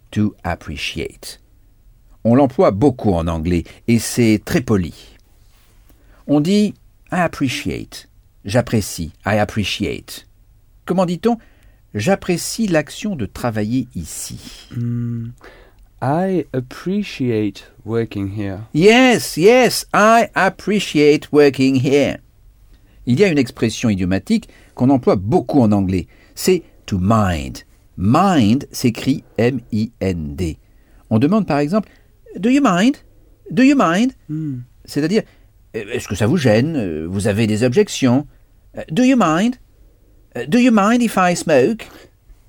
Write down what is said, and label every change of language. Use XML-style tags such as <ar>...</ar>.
<en>To appreciate.</en> <fr>On l'emploie beaucoup en anglais et c'est très poli. On dit</fr> <en>I appreciate.</en> <fr>J'apprécie. I appreciate. Comment dit-on? J'apprécie l'action de travailler ici.</fr> <en>I appreciate working here. Yes, yes, I appreciate working here.</en> <fr>Il y a une expression idiomatique qu'on emploie beaucoup en anglais. C'est « to mind ». « Mind » s'écrit « M-I-N-D ». On demande par exemple «</fr> <en>Do you mind ?»«</en> <fr>Do you mind ?» C'est-à-dire « Est-ce que ça vous gêne ? Vous avez des objections ?»«</fr> <en>Do you mind ?»« Do you mind if I smoke ?»«</en>